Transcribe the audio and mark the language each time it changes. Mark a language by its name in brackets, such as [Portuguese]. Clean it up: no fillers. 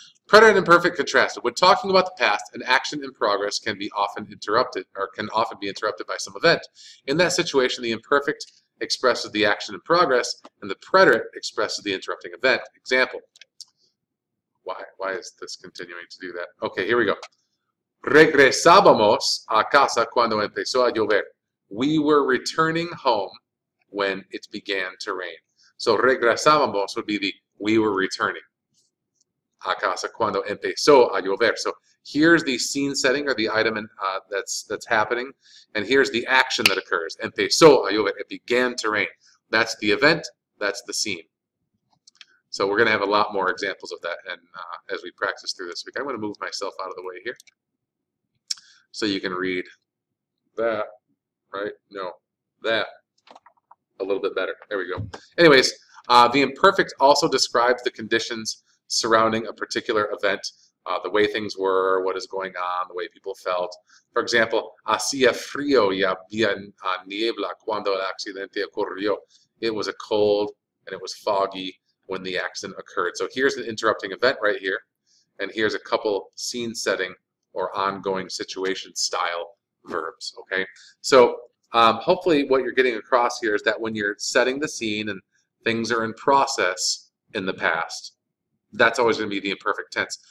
[English] Preterite and imperfect contrast. When talking about the past, an action in progress can be often interrupted or can often be interrupted by some event. In that situation, the imperfect expresses the action in progress and the preterite expresses the interrupting event. Example. Why is this continuing to do that? Okay, here we go. [Spanish] Regresábamos a casa cuando empezó a llover. [English] We were returning home when it began to rain. So regresábamos would be the we were returning [Spanish] a casa cuando empezó a llover. [English] So here's the scene setting or the item in, that's happening. And here's the action that occurs. [Spanish] Empezó a llover. [English] It began to rain. That's the event. That's the scene. So we're going to have a lot more examples of that and as we practice through this week. I'm going to move myself out of the way here so you can read that, right? No, that a little bit better. There we go. Anyways, the imperfect also describes the conditions surrounding a particular event, the way things were, what is going on, the way people felt. For example, [Spanish] hacía frío y había niebla cuando el accidente ocurrió. [English] It was a cold and it was foggy when the accident occurred. So here's an interrupting event right here, and here's a couple scene setting or ongoing situation style verbs, okay? So hopefully what you're getting across here is that when you're setting the scene and things are in process in the past, that's always going to be the imperfect tense.